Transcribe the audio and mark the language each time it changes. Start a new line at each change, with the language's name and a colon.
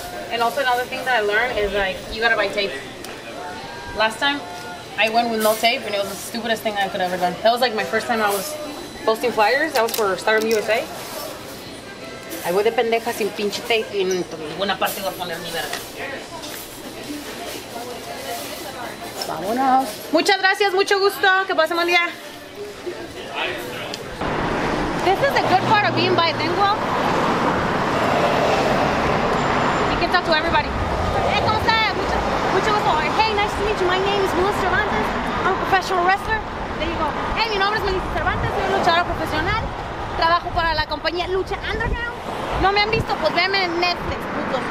English: And also another thing that I learned is like, you gotta buy tape. Last time, I went with no tape and it was the stupidest thing I could ever done. That was like my first time I was posting flyers. That was for Stardom USA.
Spanish: I voy de pendeja sin pinche tape en ninguna parte voy a poner mi verga. Vámonos. Muchas gracias, mucho gusto. Que pase buen día.
English: This is a good part of being bilingual. You can talk to everybody. Hey,
Spanish: ¿cómo está? Mucho gusto.
English: Hey, nice to meet you. My name is Melissa Cervantes. I'm a professional wrestler. There you go.
Spanish: Hey, mi nombre es Melissa Cervantes. Soy luchadora profesional. Trabajo para la compañía Lucha Underground. No me han visto, pues véanme en Netflix, putos.